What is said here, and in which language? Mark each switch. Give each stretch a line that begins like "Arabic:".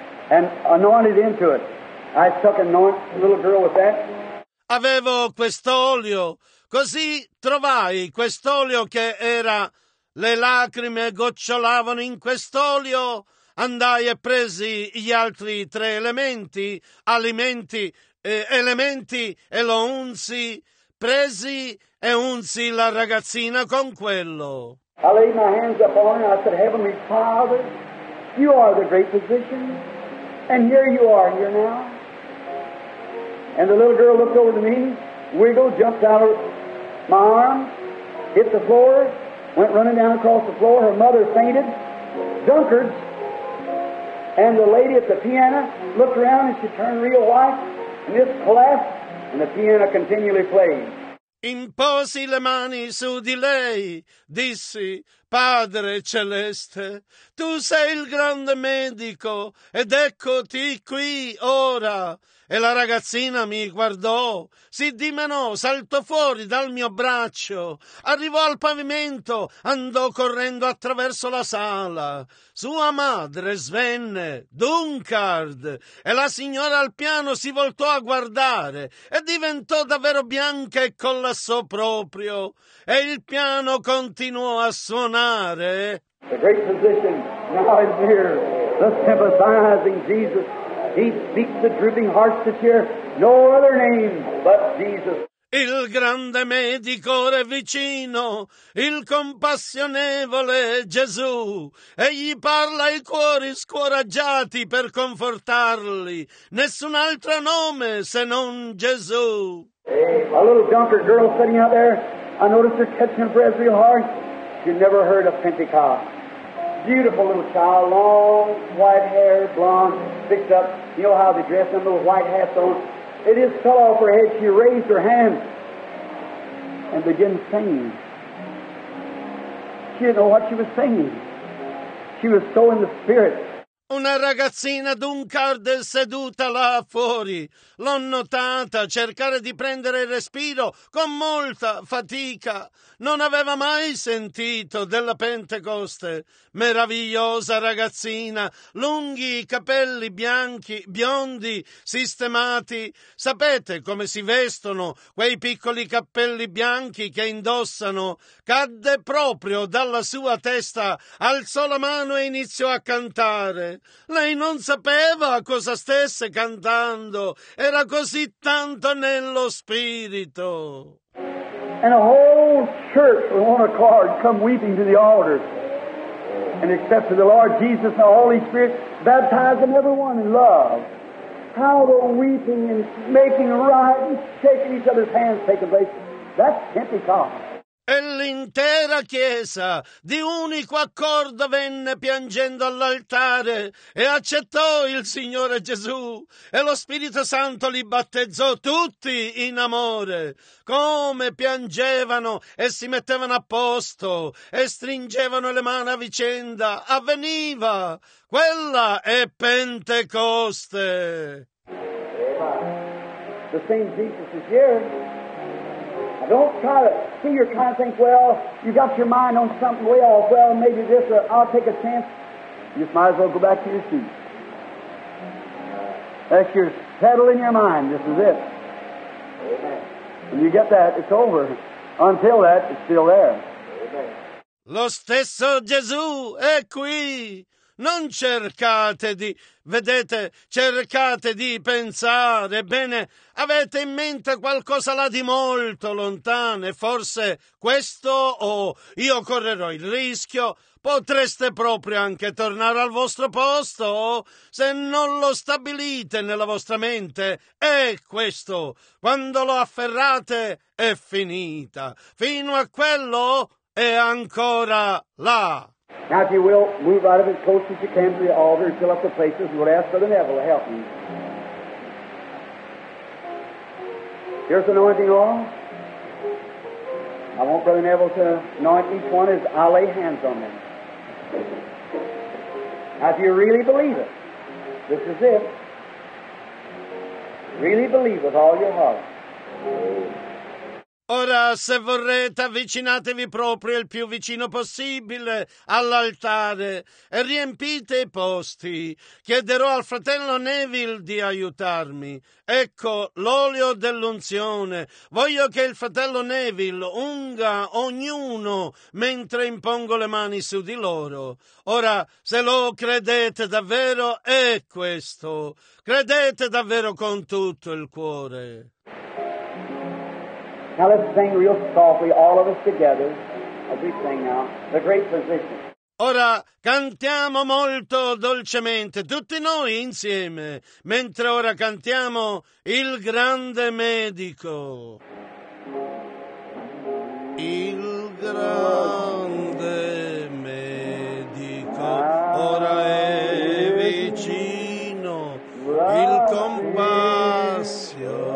English: And anointed into it. I took anoint the little girl with that.
Italian: Avevo quest'olio, così trovai quest'olio che era le lacrime gocciolavano in quest'olio. Andai e presi gli altri tre elementi, alimenti, elementi e lo unsi. Presi e unsi la ragazzina con quello.
English: I laid my hands upon her and I said, Heavenly Father, you are the great physician, and here you are here now. And the little girl looked over to me, wiggled, jumped out of my arm, hit the floor, went running down across the floor, her mother fainted, dunkards, and the lady at the piano looked around and she turned real white, and this collapsed, and the piano continually played.
Italian: Imposi le mani su di lei, dissi, Padre Celeste, tu sei il grande medico ed eccoti qui ora. E la ragazzina mi guardò, si dimenò, saltò fuori dal mio braccio, arrivò al pavimento, andò correndo attraverso la sala. Sua madre svenne, Dunkard, e la signora al piano si voltò a guardare e diventò davvero bianca e collassò proprio. E il piano continuò a suonare.
English: The great physician now is here, the sympathizing Jesus. He speaks the drooping hearts to cheer. No other name but Jesus.
Italian: Il grande medico è vicino, il compassionevole Gesù. Egli parla ai cuori scoraggiati per confortarli. Nessun altro nome se non Gesù.
English: A little dunker girl sitting out there, I noticed her catching for every heart. She never heard of Pentecost. Beautiful little child, long white hair, blonde, picked up. You know how they dress them, little white hats on. It just fell off her head. She raised her hand and began singing. She didn't know what she was singing. She was so in the spirit.
Italian: Una ragazzina Dunkard seduta là fuori. L'ho notata cercare di prendere il respiro con molta fatica. Non aveva mai sentito della Pentecoste. Meravigliosa ragazzina, lunghi capelli bianchi, biondi, sistemati. Sapete come si vestono quei piccoli cappelli bianchi che indossano? Cadde proprio dalla sua testa, alzò la mano e iniziò a cantare. Lei non sapeva cosa stesse cantando, era così tanto nello spirito.
English: And a whole church with one accord come weeping to the altar and accepted the Lord Jesus and the Holy Spirit, baptizing everyone in love. How the weeping and making right and shaking each other's hands taking place. That's Pentecost.
Italian: E l'intera chiesa di unico accordo venne piangendo all'altare e accettò il Signore Gesù e lo Spirito Santo li battezzò tutti in amore. Come piangevano e si mettevano a posto e stringevano le mani a vicenda, avveniva. Quella è Pentecoste.
English: The same Jesus is here. Don't try to see your kind of think, well, you got your mind on something way off. Well, maybe this, or I'll take a chance. You just might as well go back to your seat. That's your settle in your mind. This is it. When you get that, it's over. Until that, it's still there.
Italian: Lo stesso Gesù è qui. Non cercate di, vedete, cercate di pensare, bene, avete in mente qualcosa là di molto lontano, forse questo o io correrò il rischio, potreste proprio anche tornare al vostro posto, se non lo stabilite nella vostra mente, è questo, quando lo afferrate è finita, fino a quello è ancora là.
English: Now, if you will, move right up as close as you can to the altar and fill up the places, and we'll ask Brother Neville to help you. Here's anointing oil. I want Brother Neville to anoint each one as I lay hands on them. Now, if you really believe it, this is it. Really believe with all your heart.
Italian: Ora, se vorrete, avvicinatevi proprio il più vicino possibile all'altare e riempite i posti. Chiederò al fratello Neville di aiutarmi. Ecco, l'olio dell'unzione. Voglio che il fratello Neville unga ognuno mentre impongo le mani su di loro. Ora, se lo credete davvero, è questo. Credete davvero con tutto il cuore.
English: Now let's sing real softly, all of us together, as we sing now, the great physician.
Italian: Ora cantiamo molto dolcemente, tutti noi insieme, mentre ora cantiamo il grande medico. Il grande medico ora è vicino, il compassione.